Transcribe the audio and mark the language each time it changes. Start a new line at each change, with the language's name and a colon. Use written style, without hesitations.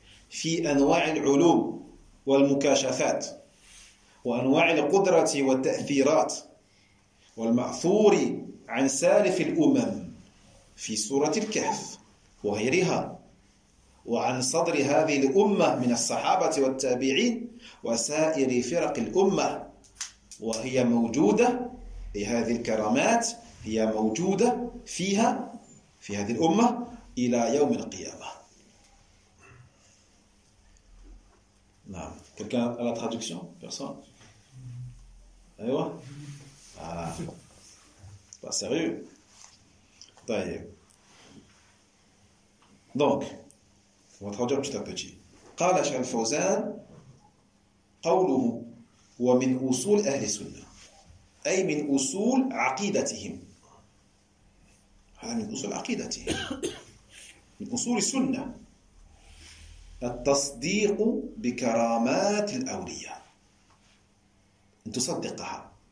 Arabic: في أنواع العلوم والمكاشفات وأنواع القدرة والتأثيرات والمعثور عن سالف الأمم في سورة الكهف وغيرها وعن صدر هذه الأمة من الصحابة والتابعين وسائر فرق الأمة وهي موجودة في هذه الكرامات هي موجودة فيها في هذه الأمة إلى يوم القيامة. نعم.
French: Quelqu'un à la traduction? Personne? Allez voir? Ah, pas sérieux? Donc, on va traduire petit à petit.
Arabic: قال شيخ الفوزان قوله ومن أصول أهل السنة أي من أصول عقيدتهم. هذا من أصول عقيدتهم. من أصول السنة. التصديق بكرامات الأولياء أن تصدقها.